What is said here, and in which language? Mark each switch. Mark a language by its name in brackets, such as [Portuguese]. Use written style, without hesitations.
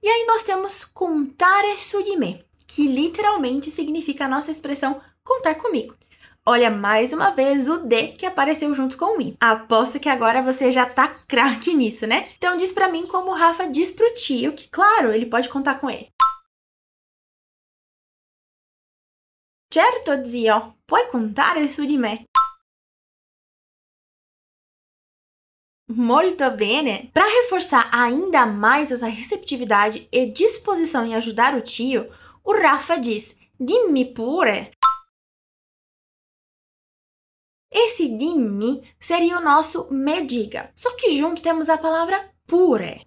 [Portuguese] E aí nós temos [Italian] contare su di me, [Portuguese] que literalmente significa a nossa expressão contar comigo. Olha mais uma vez o D que apareceu junto com o I. Aposto que agora você já tá craque nisso, né? Então diz pra mim como o Rafa diz pro tio que, claro, ele pode contar com ele. [Italian] Certo, zio, puoi contare su di me. Molto bene! [Portuguese] Para reforçar ainda mais essa receptividade e disposição em ajudar o tio, o Rafa diz, [Italian] dimmi pure. [Portuguese] Esse dimmi seria o nosso me diga. Só que junto temos a palavra pure.